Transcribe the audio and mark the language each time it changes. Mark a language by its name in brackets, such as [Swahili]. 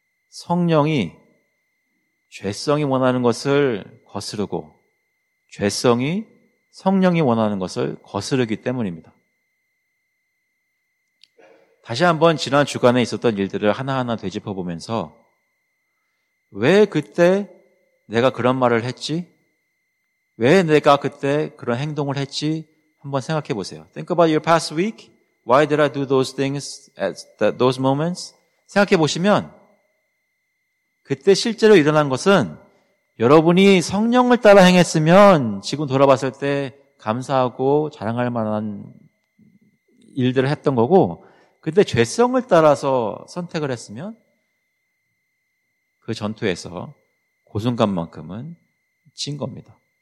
[Korean] 성령이 죄성이 원하는 것을 거스르고 죄성이 성령이 원하는 것을 거스르기 때문입니다. 다시 한번 지난 주간에 있었던 일들을 하나하나 되짚어보면서 왜 그때 내가 그런 말을 했지? 왜 내가 그때 그런 행동을 했지? 한번 생각해 보세요. [English] Think about your past week. Why did I do those things at those moments? [Korean] 생각해 보시면 그때 실제로 일어난 것은 여러분이 성령을 따라 행했으면 지금 돌아봤을 때 감사하고 자랑할 만한 일들을 했던 거고 그때 죄성을 따라서 선택을 했으면 그 전투에서 고순간만큼은 진 겁니다.